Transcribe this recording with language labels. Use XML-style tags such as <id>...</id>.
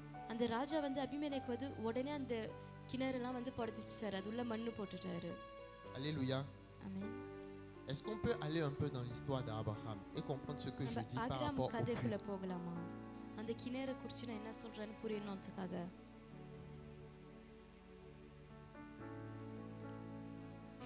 <ta>அந்த ராஜா வந்து அபிமேலேக் வந்து உடனே அந்த கிணறு எல்லாம் வந்து புடைச்சு சார் அதுல மண்ணு போட்டுட்டாரு.</ta> <fr>Alléluia. Amen. Est-ce qu'on peut aller un peu dans l'histoire d'Abraham et comprendre ce que je dis par rapport au</fr> <ta>puits? அந்த போகலாமா? அந்த கிணறு குறித்து நான் என்ன சொல்றேன்னு புரியணும்ன்றதுக்காக.</ta>